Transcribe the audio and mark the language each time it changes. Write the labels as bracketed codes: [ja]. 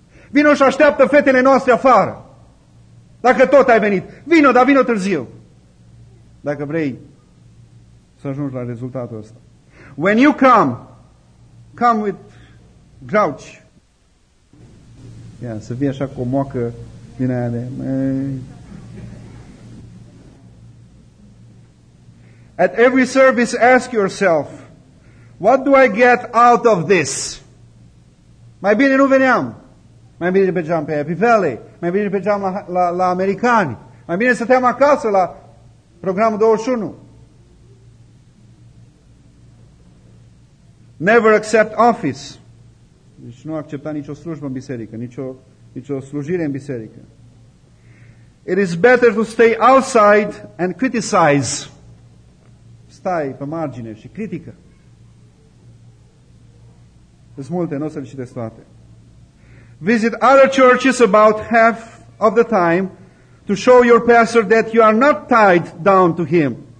[ro] Vino și așteaptă fetele noastre afară. Dacă tot ai venit, vino, dar vino târziu. Dacă vrei să ajungi la rezultatul ăsta. [en] When you come, come with grouch. [ro] Yeah, să vii așa cu o moacă din aia de... [en] At every service, ask yourself, what do I get out of this? [ro] Mai bine nu veneam. Mai bine mergeam pe Happy Valley. Mai bine mergeam la americani. Mai bine stăteam acasă la programul 21. [en] Never accept office. [ro] Deci nu accepta nicio slujbă în biserică, nicio slujire în biserică. [en] It is better to stay outside and criticize. [ro] Stai pe margine și critică. Sunt multe, nu o să le citesc toate. [en] Visit other churches about half of the time to show your pastor that you are not tied down to him.